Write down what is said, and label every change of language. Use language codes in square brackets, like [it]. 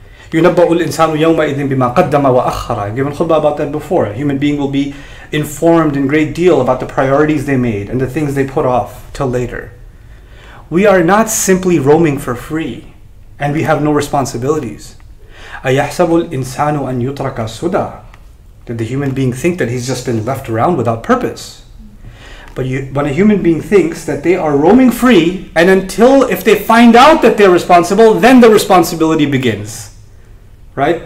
[ar] يُنَبَّأُ الْإِنسَانُ يَوْمَئِذٍ بِمَا قَدَّمَ وَأَخَّرَ. [en] I've given khutbah about that before. A human being will be informed in great deal about the priorities they made and the things they put off till later. We are not simply roaming for free and we have no responsibilities. [ar] أَيَحْسَبُ الْإِنسَانُ أَنْ يُتْرَكَ سُدَى. [en] Did the human being think that he's just been left around without purpose? But when a human being thinks that they are roaming free, and until if they find out that they're responsible, then the responsibility begins. Right?